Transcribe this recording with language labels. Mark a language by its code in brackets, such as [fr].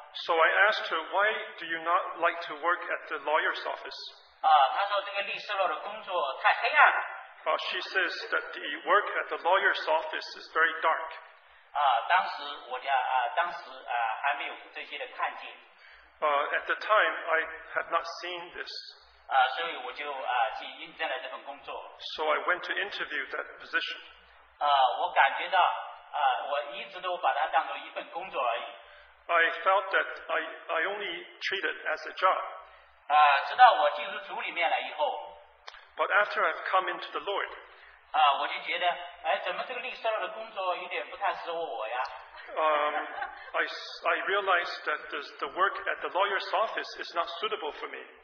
[en] So I asked her, why do you not like to work at the lawyer's office? [zh] 他说这个律师楼的工作太黑暗了。 [en] She says that the work at the lawyer's office is very dark. [zh] 当时还没有这些的看见。 [en] At the time, I had not seen this. [zh] 所以我就去应征了这份工作。 [en] So I went to interview that position. [zh] 我感觉到我一直都把它当作一份工作而已。 [en] I felt that I only treat it as a job. [zh] 直到我进入主里面了以后, [en] but after I've come into the Lord, [zh] 我就觉得怎么这个律师楼的工作有点不太适合我呀。 [en] I realized that the work at the lawyer's office is not suitable for me.